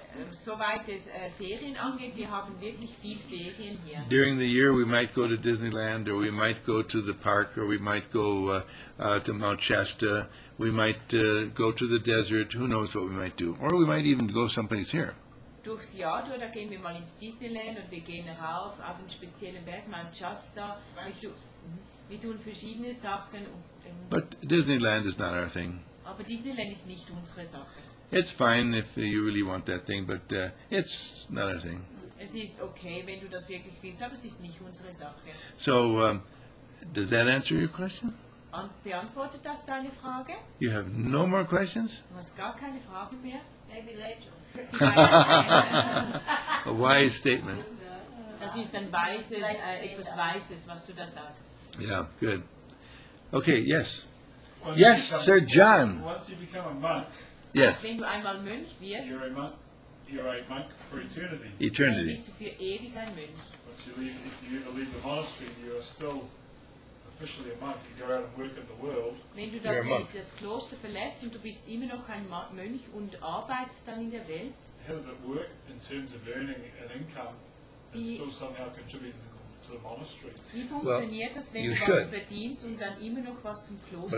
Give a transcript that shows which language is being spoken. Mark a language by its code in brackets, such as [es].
[de] Soweit es Ferien angeht, wir haben wirklich viel Ferien hier. [en] During the year we might go to Disneyland, or we might go to the park, or we might go to Mount Shasta, we might go to the desert, who knows what we might do. Or we might even go someplace here. [de] Durchs Jahr, da gehen wir mal ins Disneyland, und wir gehen rauf auf einen speziellen Berg, Mount Shasta. Wir tun verschiedene Sachen. [en] But Disneyland is not our thing. [de] Aber Disneyland ist nicht unsere Sache. [en] It's fine if you really want that thing, but it's not our thing. [de] Es ist okay, wenn du das wirklich willst, aber es ist nicht unsere Sache. [en] So, does that answer your question? [de] Beantwortet das deine Frage? [en] You have no more questions? [de] Du hast gar keine Fragen mehr? [en] Maybe later. A wise statement. [de] Das ist ein weises, etwas Weises, was du da sagst. [en] Yeah, good. Okay, yes. Once yes, become, Sir John. Once you become a monk, yes. [de] Wenn du einmal Mönch wirst, [en] you're a monk for eternity. Eternity. [de] Bist du für ewig ein Mönch. [en] But if you leave the monastery, you are still officially a monk. You go out and work in the world. [de] Wenn du dann das Kloster verlässt und du bist immer noch ein Mönch und arbeitest dann in der Welt. [en] How does it work in terms of earning an income and still somehow contributing to the monastery? [de] Wie funktioniert das, wenn du was verdienst und dann immer noch was zum Kloster?